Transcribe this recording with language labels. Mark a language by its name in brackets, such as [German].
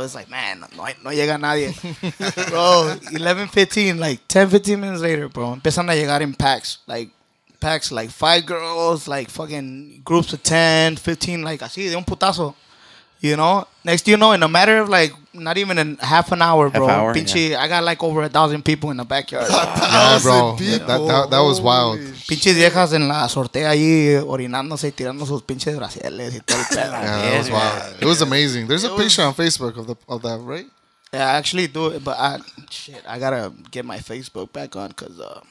[English] It's like, man, [Spanish] no llega nadie. [English] Bro, 11:15, like 10-15 minutes later, bro, [Spanish] empiezan a llegar [English] in packs, like 5 girls, like fucking groups of 10, 15, like [Spanish] así, de un putazo, [English] you know? Next thing you know, in a matter of like, not even in half an hour, bro, half hour, [Spanish] pinche, [English] yeah. I got like over 1,000 people in the backyard. Bro. 1,000 bro, people? That was wild. [Spanish] Pinches viejas en la sortea ahí, orinándose y tirando sus pinches braciales y todo el pedo. [English] Yeah, that was wild. It was amazing. There's a picture on Facebook of that, right? Yeah, I actually do it, but I gotta get my Facebook back on because...